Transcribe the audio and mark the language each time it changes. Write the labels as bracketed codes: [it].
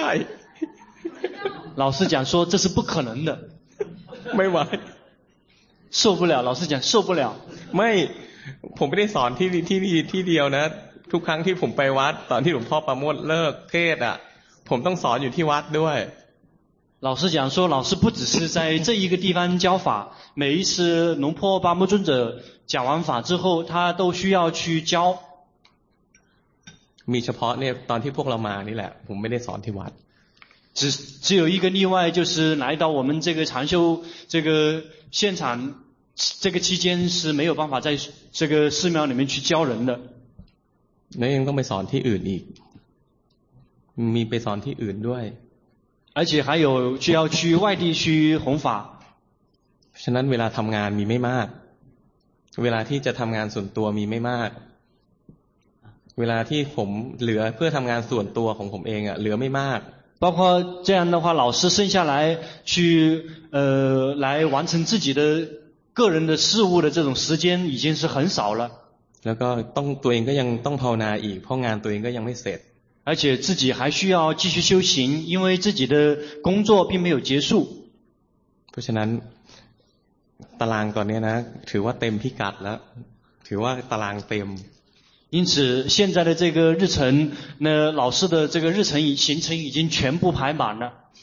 [zh] 老师讲说这是不可能的 [th] ไม่ไหว [zh] 受不了老师讲受不了 [th] ไม่ผมไม่ได้สอนที่เดียวนะทุกครั้งที่ผมไปวัดตอนที่หลวงพ่อประโมทเลิกเทศอ่ะผมต้องสอนอยู่ที่วัดด้วย [zh] 老师讲说老师不只是在这一个地方教法每一次龙坡巴木尊者讲完法之后他都需要去教 [th] มีเฉพาะเนี่ยตอนที่พวกเรามานี่แหละผมไม่ได้สอนที่วัด [zh] 只有一个例外就是来到我们这个禅修这个现场这个期间是没有办法在这个寺庙里面去教人的 [th] แล้วยังต้องไปสอนที่อื่นอีกมีไปสอนที่อื่นด้วย [zh] 而且还有需要去外地去弘法 [th] ฉะนั้นเวลาทำงานมีไม่มากเวลาที่จะทำงานส่วนตัวมีไม่มากเวลาที่ผมเหลือเพื่อทำงานส่วนตัวของผมเองอ่ะเหลือไม่มาก [zh] 包括这样的话老师剩下来去来完成自己的个人的事务的这种时间已经是很少了 [th] แล้วก็ต้องตัวเองก็ยังต้องภาวนาอีกเพราะงานตัวเองก็ยังไม่เสร็จ [zh] 而且自己还需要继续修行因为自己的工作并没有结束 [th] เพราะฉะนั้นตารางตอนนี้นะถือว่าเต็มพิกัดแล้วถือว่าตารางเต็ม [zh] 因此现在的这个日程那老师的这个日程行程已经全部排满了